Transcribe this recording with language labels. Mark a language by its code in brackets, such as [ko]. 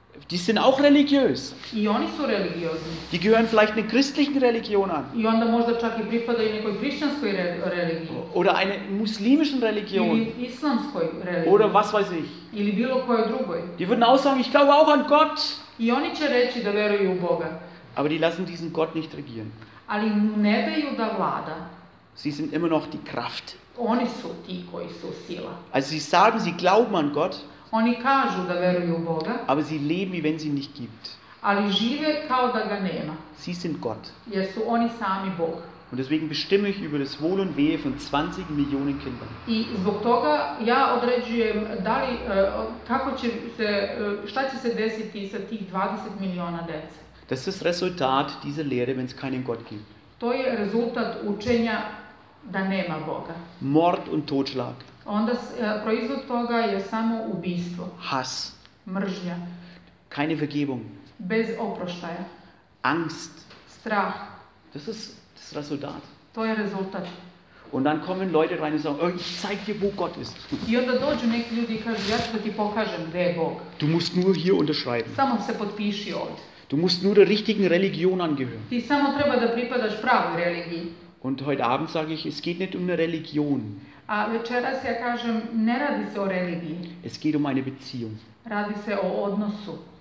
[de] Die sind auch religiös. [sr] I oni su religiozni. [de] Die gehören vielleicht einer christlichen Religion an. [sr] I onda možda čak i pripadaju nekoj kršćanskoj religiji. [de] Oder einer muslimischen Religion. [sr] Ili islamskoj religiji. [de] Oder was weiß ich. [sr] Ili bilo kojoj drugoj. [de] Die würden auch sagen, ich glaube auch an Gott. [sr] I oni će reći da veruju u Boga. [de] Aber die lassen diesen Gott nicht regieren. [sr] Ali ne daju da vlada. [de] Sie sind immer noch die Kraft. [sr] Oni su ti koji su sila. [de] Also sie sagen, sie glauben an Gott. [sr] Oni kažu da veruju u Boga. [de] Aber sie leben, wie wenn sie ihn nicht gibt. [sr] Ali žive kao da ga nema. [de] Sie sind Gott. [sr] Jer su oni sami Bog. [de] Und deswegen bestimme ich über das Wohl und Wehe von 20 Millionen Kindern. [sr] I zbog toga ja određujem da li, kako će se, šta će se desiti sa tih 20 miliona dece. [de] Das ist Resultat dieser Lehre, wenn es keinen Gott gibt. [sr] To je rezultat učenja da nema Boga. [de] Mord und Totschlag. [sr] Onda proizvod toga je samo ubistvo. [de] Hass. [sr] Mržnja. [de] Keine Vergebung. [sr] Bez oproštaja. [de] Angst. [sr] Strah. [de] Das ist das Resultat. [sr] To je rezultat. [de] Und dann kommen Leute rein und sagen, oh, ich zeig dir, wo Gott ist. [sr] I onda dođu neki ljudi i kažu, ja ću da ti pokažem gde je Bog. [de] Du musst nur hier unterschreiben. [sr] Samo se potpiši ovde. [de] Du musst nur der richtigen Religion angehören. [sr] Ti samo treba da pripadaš pravoj religiji. [de] Und heute Abend sage ich, es geht nicht um eine Religion. [sr] A večeras ja kažem, ne radi se o religiji. [de] Es geht um eine Beziehung. [sr] Radi se o odnosu.